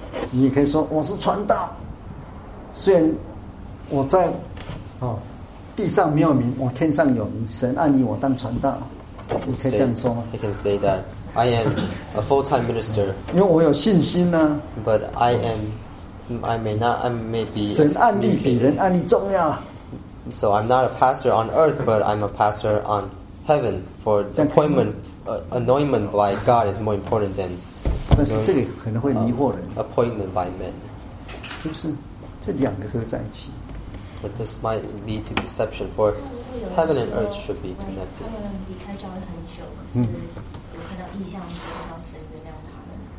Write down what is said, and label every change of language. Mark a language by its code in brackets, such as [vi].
[zh] 你可以说我是传道，虽然我在地上没有名，我天上有名，神按你我当传道，你可以这样说吗？ [en] He can say that I am a full-time minister. [zh] 因为我有信心呢。 [en] But I may be. [zh] 神按你比人按你重要。 [en] So I'm not a pastor on earth, but I'm a pastor on heaven. For appointment, anointment by God is more important than. [zh] 但是这个可能会迷惑人。 [en] Appointment by men， [zh] 就是这两个合在一起。 [en] But this might lead to deception. For heaven and earth should be connected. [zh] 他们离开教会很久，可是有看到异象，看到神原谅他们。